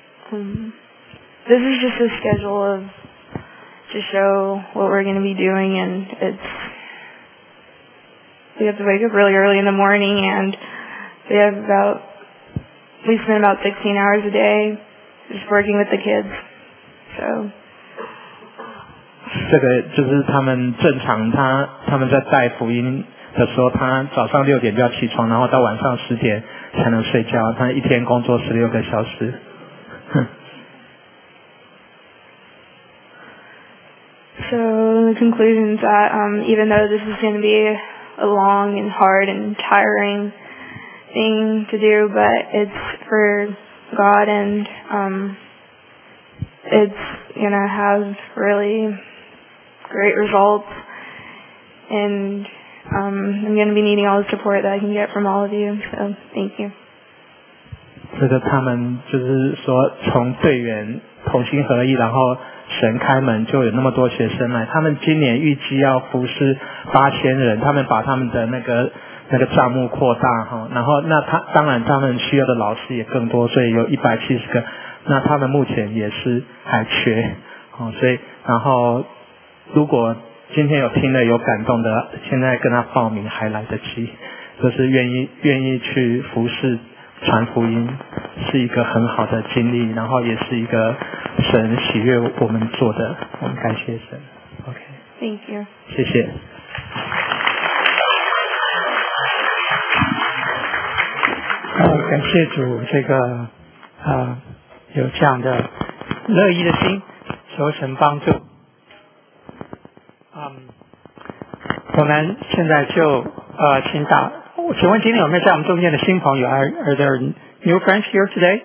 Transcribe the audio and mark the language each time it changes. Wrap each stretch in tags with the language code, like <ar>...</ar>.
<en>This is just a schedule of. To show what we're going to be doing, and it's. We have to wake up really early in the morning, and we have about. We spend about 16 hours a day just working with the kids. So.</en> <zh>这个就是他们正常他们在带福音的时候，他早上六点就要起床，然后到晚上十点才能睡觉，他一天工作16个小时。</zh> <en>So the conclusion is that even though this is going to be a long and hard and tiring thing to do, but it's for God and it's going to have really great results. And I'm going to be needing all the support that I can get from all of you. So thank you.</en> <zh>这个他们就是说从队员同心合意，然后神开门就有那么多学生来，他们今年预计要服侍8000人，他们把他们的那个账目扩大，然后那他当然他们需要的老师也更多，所以有170个，那他们目前也是还缺，所以然后如果今天有听了有感动的，现在跟他报名还来得及，就是愿意去服侍传福音是一个很好的经历，然后也是一个神喜悦我们做的，我们感谢神。</zh> <en>OK， Thank you，</en> <zh>谢谢。感谢主，这个有这样的乐意的心，求神帮助。我们现在就请打。请问今天有没有在我们中间的新朋友？</zh> <en>Are there new friends here today?</en>